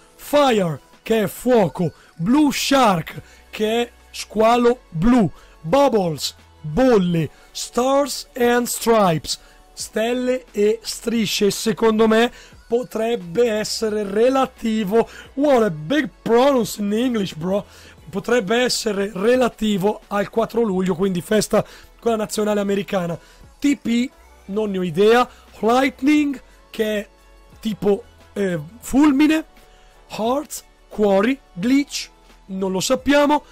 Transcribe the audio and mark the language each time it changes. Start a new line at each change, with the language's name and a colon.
Italian: Fire, che è fuoco. Blue Shark, che è squalo blu. Bubbles, bolle. Stars and Stripes, stelle e strisce. Secondo me potrebbe essere relativo.
English: What a big pronounce in English, bro!
Italian: Potrebbe essere relativo al 4 luglio, quindi festa con la nazionale americana. TP, non ne ho idea. Lightning, che è tipo fulmine. Hearts, cuori, glitch. Non lo sappiamo.